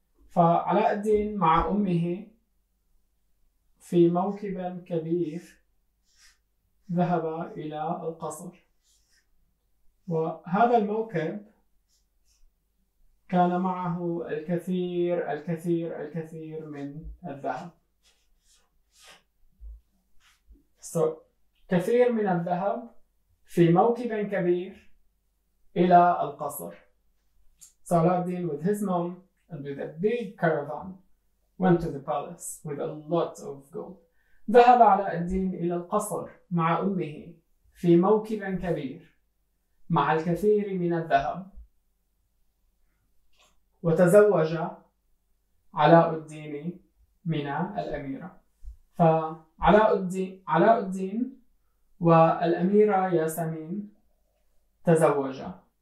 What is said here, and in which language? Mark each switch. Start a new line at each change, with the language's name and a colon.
Arabic: فعلاء الدين مع أمه في موكب كبير ذهب إلى القصر، وهذا الموكب كان معه الكثير الكثير الكثير من الذهب. كثير من الذهب في موكب كبير إلى القصر.
English: علاء الدين with his mom and with a big caravan went to the palace with a lot of gold.
Arabic: ذهب علاء الدين إلى القصر مع أمه في موكب كبير مع الكثير من الذهب. وتزوج علاء الدين من الأميرة. فعلاء الدين، علاء الدين والأميرة ياسمين تزوجا.